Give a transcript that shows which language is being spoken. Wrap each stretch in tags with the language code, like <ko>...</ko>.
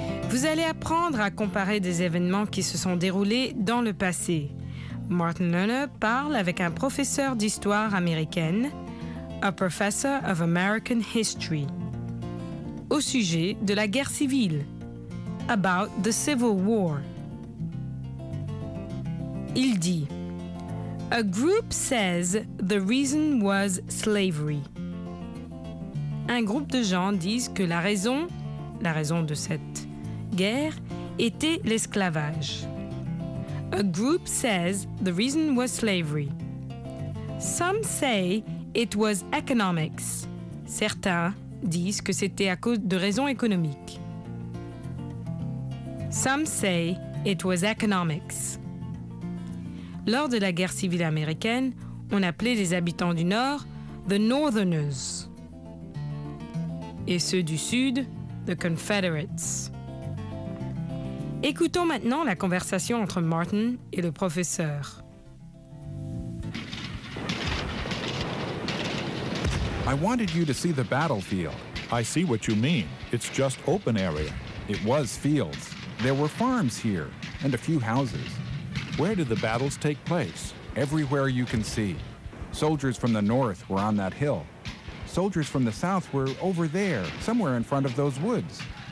<fr>Vous allez apprendre à comparer des événements qui se sont déroulés dans le passé. Martin Lerner parle avec un professeur d'histoire américaine,</fr> <en>a professor of American history,</en> <fr>au sujet de la guerre civile,</fr> <en>about the Civil War.</en> <fr>Il dit,</fr> <en>a group says the reason was slavery.</en> <fr>Un groupe de gens disent que la raison de cette guerre était l'esclavage.</fr> <en>A group says the reason was slavery. Some say it was economics.</en> <fr>Certains disent que c'était à cause de raisons économiques.</fr> <en>Some say it was economics.</en> <fr>Lors de la guerre civile américaine, on appelait les habitants du Nord</fr> <en>the Northerners.</en> <fr>Et ceux du Sud,</fr> <en>the Confederates.</en> <fr>Écoutons maintenant la conversation entre Martin et le professeur.</fr> <en>I wanted you to see the battlefield. I see what you mean. It's just open area. It was fields. There were farms here and a few houses. Where did the battles take place? Everywhere you can see. Soldiers from the north were on that hill. Soldiers from the south were over there, somewhere in front of those woods.</en>